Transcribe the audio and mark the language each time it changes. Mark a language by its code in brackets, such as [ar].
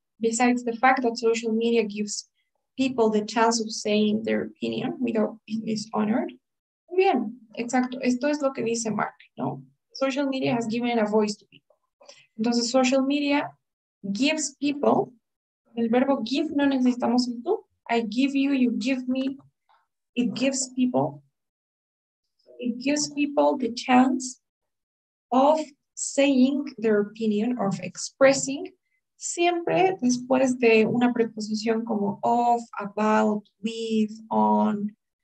[en] Besides the fact that social media gives people the chance of saying their opinion without being dishonored. [es] Bien, exacto, esto es lo que dice Mark, ¿no? [en] Social media has given a voice to people. [es] Entonces, [en] social media gives people, [es] el verbo give no necesitamos el tú, [en] I give you, you give me, it gives people the chance of saying their opinion, of expressing, [es] siempre después de una preposición como [en] of, about, with, on,